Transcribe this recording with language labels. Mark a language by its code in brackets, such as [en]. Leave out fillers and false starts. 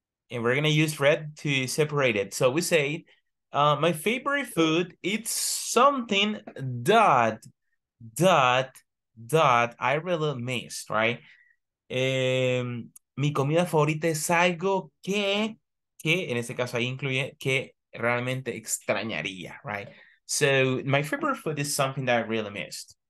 [en] And we're going to use red to separate it. So we say... my favorite food, it's something that I really missed, right? [es] Mi comida favorita es algo que en este caso ahí incluye, que realmente extrañaría, right? [en] So, my favorite food is something that I really missed.